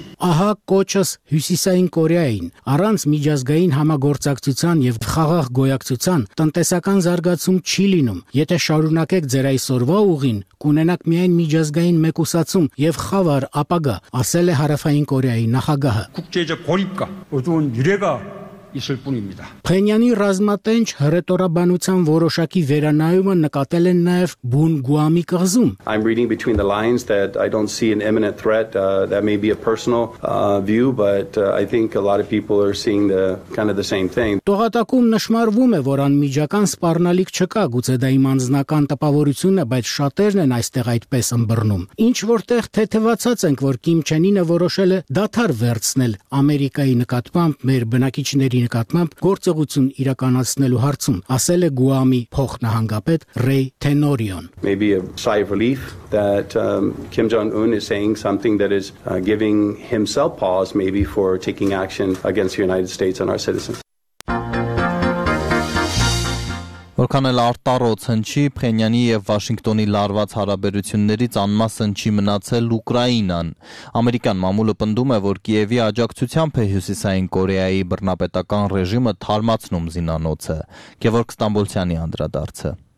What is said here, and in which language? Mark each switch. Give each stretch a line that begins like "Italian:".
Armenian: Ահա կոչս Հյուսիսային Կորեային, առանց միջազգային համագործակցության և խաղաղ գոյակցության տնտեսական զարգացում չի լինում։ Եթե շարունակեք ձեր այսօրվա ուղին, կունենաք միայն միջազգային մեկուսացում և խավար ապագա, ասել է Հարավային Կորեայի նախագահը։ Փենյանի ռազմատենչ հռետորաբանության որոշակի վերանայումը նկատել են նաև Բուն Գուամի կղզում։
English: I'm reading between the lines that I don't see an imminent threat. That may be a personal view, but I think a lot of people are seeing the kind of the same thing.
Armenian: Տողատակում նշмарվում է, որ անմիջական սպառնալիք չկա, գուցե դա իմ անձնական տպավորությունն է, բայց շատերն են այստեղ այդպես ըմբռնում։ Ինչ որտեղ թեթևացած ենք, որ Կիմ Չեն Ինը որոշել է դադար վերցնել Ամերիկայի նկատմամբ մեր բնակիչների նկատմամբ գործողություն իրականացնելու հարցում, ասել է Գուամի փոխնահանգապետ Ռեյ Թենորիոն։
English: Maybe a sigh of relief that Kim Jong-un is saying something that is giving himself pause maybe for taking action against the United States and our citizens.
Armenian: Որքան էլ արտարոց հնչի, Փենյանի եւ Վաշինգտոնի լարված հարաբերություններից անմասն չի մնացել Ուկրաինան։ Ամերիկան մամուլը պնդում է, որ Կիևի աջակցությամբ է Հյուսիսային Կորեայի բռնապետական ռեժիմը թարմացնում զինանոցը։ Գևորգ Ստամբոլցյանի անդրադարձը։